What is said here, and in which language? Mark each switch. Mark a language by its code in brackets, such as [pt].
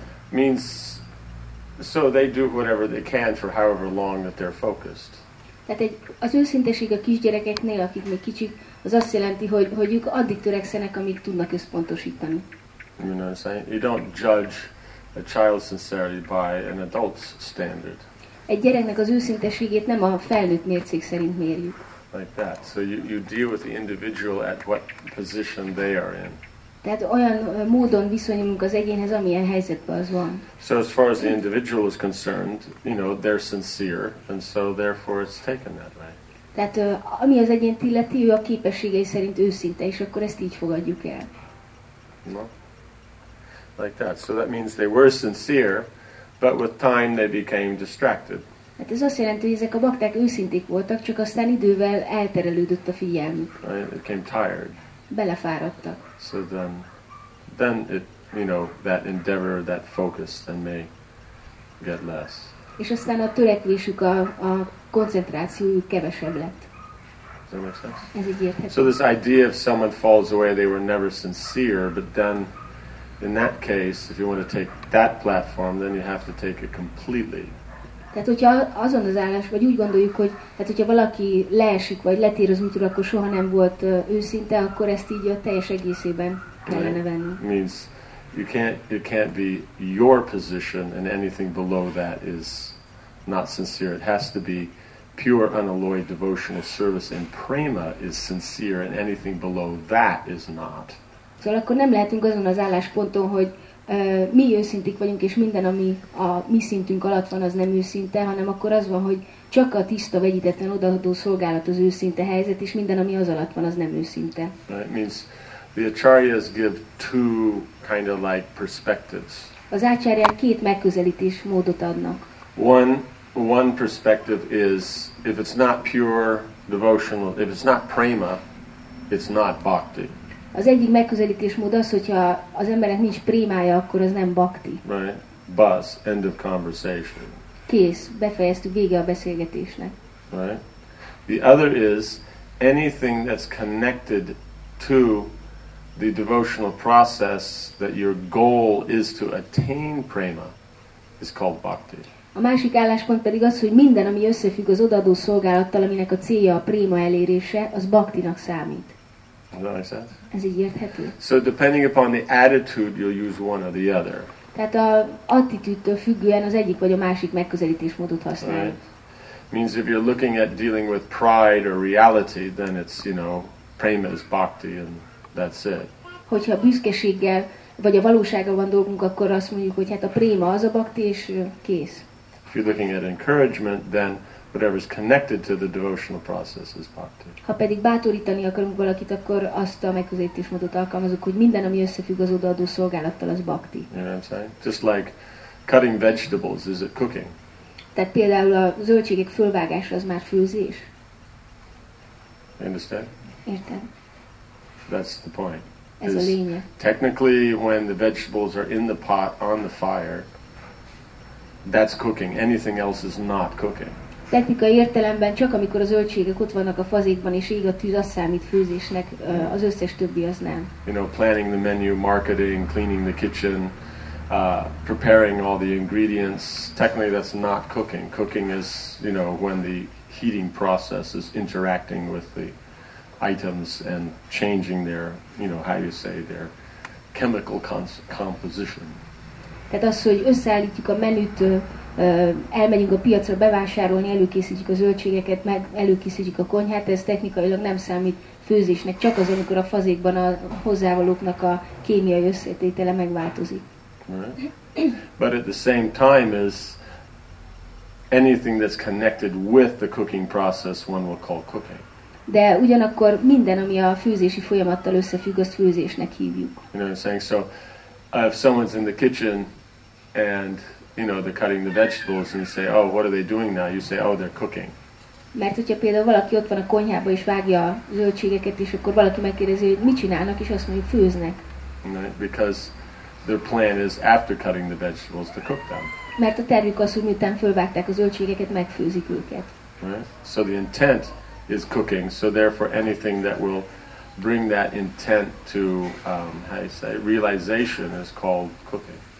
[en] Means so they do whatever they can for however long that they're focused. [hu] Tehát az őszinteség a kisgyerekeknél, akik még kicsik, az azt jelenti, hogy ők addig törekszenek, amíg tudnak összpontosítani. [en] You know what I'm saying? You don't judge a child's sincerity by an adult's standard. [hu] Egy gyereknek az őszinteségét nem a felnőtt mércék szerint mérjük. [en] Like that. So you deal with the individual at what position they are in. [hu] Tehát olyan módon viszonyulunk az egyénhez, amilyen helyzetben az van. [en] So as far as the individual is concerned, you know, they're sincere, and so therefore it's taken that way. [hu] Tehát ami az egyént illeti, ő a képességei szerint őszinte, és akkor ezt így fogadjuk el. [en] No. Like that. So that means they were sincere, but with time they became distracted. [hu] Hát ez azt jelenti, hogy ezek a bakták őszinték voltak, csak aztán idővel elterelődött a figyelmük. [en] Right? They became tired. [hu] Belefáradtak. [en] So then it, you know, that endeavor, that focus, then may get less. [hu] És aztán a törekvésük, a koncentrációjuk kevesebb lett. [en] Does that make sense? [hu] Ez így érthető. [en] So this idea if someone falls away, they were never sincere, but then in that case, if you want to take that platform, then you have to take it completely. [hu] Tehát hogyha azon az állás, vagy úgy gondoljuk, hogy hát hogyha valaki leesik, vagy letér az útról, akkor soha nem volt őszinte, akkor ezt így a teljes egészében kellene venni. [en] Right. Means you can't be your position and anything below that is not sincere. It has to be pure unalloyed devotional service and prema is sincere and anything below that is not. [hu] Szóval akkor nem lehetünk azon az állásponton, hogy mi őszintik vagyunk, és minden, ami a mi szintünk alatt van, az nem őszinte, hanem akkor az van, hogy csak a tiszta, vegyítetlen, odaadó szolgálat az őszinte helyzet, és minden, ami az alatt van, az nem őszinte. [en] Right, means the acharyas give two kind of like perspectives. [hu] Az ácsárják két megközelítés módot adnak. [en] One perspective is, if it's not pure devotional, if it's not prema, it's not bhakti. [hu] Az egyik megközelítésmód az, hogyha az embernek nincs prémája, akkor az nem bhakti. [en] Right. Bus. End of conversation. [hu] Kész. Befejeztük. Vége a beszélgetésnek. [en] Right. The other is anything that's connected to the devotional process that your goal is to attain prema is called bhakti. [hu] A másik álláspont pedig az, hogy minden, ami összefügg az odaadó szolgálattal, aminek a célja a prema elérése, az bhaktinak számít. [en] Does that make sense? [hu] Ez így érthető. [en] So depending upon the attitude, you'll use one or the other. [hu] Tehát a attitűdtől függően az egyik vagy a másik megközelítésmódot használjuk. [en] Right. Means if you're looking at dealing with pride or reality, then it's, you know, prema is bhakti and That's it. [hu] Hogyha büszkeséggel vagy a valósággal van dolgunk, akkor azt mondjuk, hogy hát a préma az a bhakti és kész. [en] If you're looking at encouragement, then whatever is connected to the devotional process is bhakti. [hu] Ha pedig bátorítani akarunk valakit, akkor azt a megközelítésmódot alkalmazunk, hogy minden, ami összefügg az odaadó szolgálattal, az bhakti. [en] You know what I'm saying? Just like cutting vegetables, is it cooking? [hu] Tehát például a zöldségek fölvágása az már főzés. [en] Understand? [hu] Értem. [en] That's the point. [hu] Ez a lényeg. [en] Technically, when the vegetables are in the pot on the fire, that's cooking. Anything else is not cooking. [hu] Technikai értelemben csak amikor a zöldségek ott vannak a fazékban és ég a tűz, az számít főzésnek, az összes többi az nem. [en] You know, planning the menu, marketing, cleaning the kitchen, preparing all the ingredients, technically that's not cooking. Cooking is, you know, when the heating process is interacting with the items and changing their, you know, how you say, their chemical composition. [hu] Tehát az, hogy összeállítjuk a menüt, elmegyünk a piacra bevásárolni, előkészítjük a zöldségeket, meg előkészítjük a konyhát, ez technikailag nem számít főzésnek, csak az, amikor a fazékban a hozzávalóknak a kémiai összetétele megváltozik. [en] Right. But at the same time is anything that's connected with the cooking process one will call cooking. [hu] De ugyanakkor minden, ami a főzési folyamattal összefügg, azt főzésnek hívjuk. [en] You know what I'm saying? So if someone's in the kitchen and, you know, they're cutting the vegetables and you say, oh, what are they doing now? You say, oh, they're cooking. [hu] Mert hogyha például valaki ott van a konyhába és vágja a zöldségeket, és akkor valaki megkérdezi, hogy mit csinálnak, és azt mondjuk, főznek. [en] Right. Because their plan is after cutting the vegetables to cook them. [hu] Mert a tervük az, hogy miután fölvágták a zöldségeket, megfőzik őket. [en] Right. So the intent is cooking, so therefore anything that will bring that intent to how you say realization is called cooking.